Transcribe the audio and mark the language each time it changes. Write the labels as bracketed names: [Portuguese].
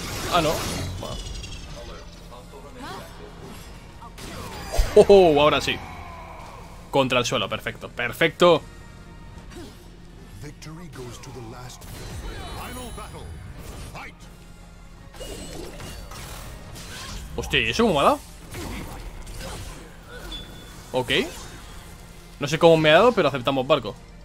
[Spanish] Continúa. Ah, no. Oh, ahora sí. Contra el suelo, perfecto, perfecto. [English] Victory goes to the last final battle. Fight. [Spanish] Hostia, ¿y eso cómo me ha dado? Ok. No sé cómo me ha dado, pero aceptamos barco.